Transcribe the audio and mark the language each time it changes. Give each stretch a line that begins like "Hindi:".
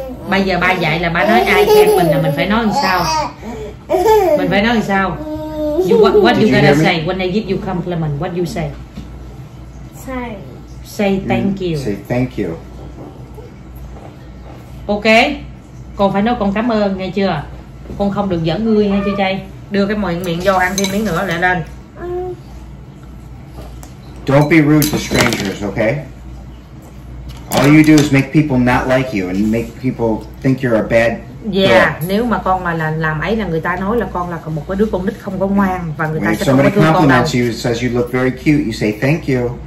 Vietnamese: Bây giờ ba dạy là ba nói ai khen mình là mình phải nói làm sao. Mình phải nói làm sao.
English: What you gonna me? Say when they give you compliment, what you say? Say thank you. Say thank you. Ok.
Vietnamese: Con phải nói con cảm ơn nghe chưa. Con không được giỡn ngươi nghe chưa chay. Đưa cái miệng vô ăn thêm miếng nữa lại lên.
English: Don't be rude to strangers, okay? All you do is make people not like you and make people think you're a bad girl.
Vietnamese: Yeah, nếu mà con mà làm ấy là người ta nói là con là một cái đứa con nít không có ngoan và người ta sẽ không có thương con đâu.
English: When somebody compliments you, says you look very cute, you say thank you.